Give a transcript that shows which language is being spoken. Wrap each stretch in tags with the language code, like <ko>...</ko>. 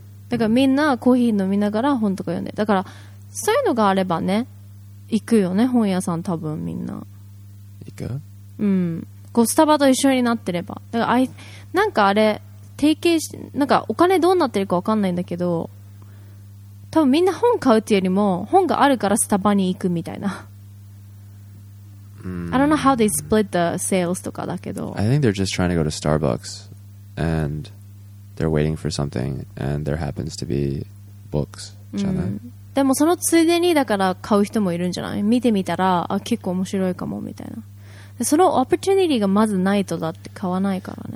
<ja>だからみんなコーヒー飲みながら本とか読んで。だからそういうのがあればね、行くよね、本屋さん多分みんな。行く？こうスタバと一緒になってれば。だからなんかあれ、提携し、なんかお金どうなってるか分かんないんだけど、多分みんな本買うっていうよりも、本があるからスタバに行くみたいな。</ja> <en>I don't know how they split the sales</en> <ja>とかだけど。</ja> <en>I think they're just trying to go to Starbucks and they're waiting for something and there happens to be books.</en> <ja>でもそのついでにだから買う人もいるんじゃない？見てみたら、あ、結構面白いかもみたいな。そのオプチュニティがまずないとだって買わないからね。</ja>